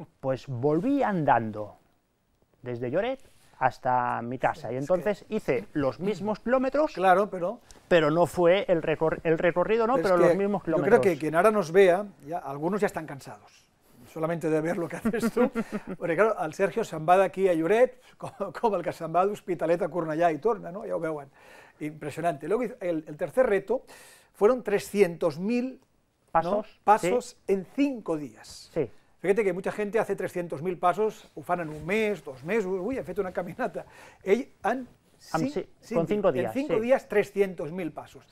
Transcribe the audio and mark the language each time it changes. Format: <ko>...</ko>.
<es>Pues volví andando desde Lloret hasta mi casa. Y entonces hice los mismos kilómetros. Claro, pero... Pero no fue el recorrido, ¿no? Pero los mismos kilómetros. Yo creo que quien ahora nos vea, ya, algunos ya están cansados, solamente de ver lo que haces tú. Porque claro,</es> <ca>al Sergio se'n va d'aquí a Lloret, com el que se'n va d'Hospitalet a Cornellà i torna, ¿no? Ja ho veuen.</ca> <es>Impresionante. Luego el tercer reto fueron 300.000 pasos sí. En 5 días. Sí. Fíjate que mucha gente hace 300.000 pasos,</es> <ca>ho fan en un mes, 2 mesos, uy, he fet una caminata. Ell, han...</ca> <es>Sí, con 5 días. En 5 días, 300.000 pasos.</es>